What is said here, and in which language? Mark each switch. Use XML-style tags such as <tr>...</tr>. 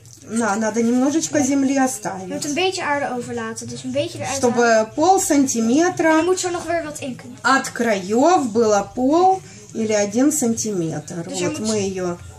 <ru>Да, надо немножечко земли оставить.</ru> <nl>Moet een beetje aarde overlaten, dus een beetje eruit.</nl> <ru>Чтобы пол сантиметра.</ru> <nl>Je moet er nog weer wat in kunnen.</nl> <ru>От краев было пол или один сантиметр. Dus вот мы ее.</ru>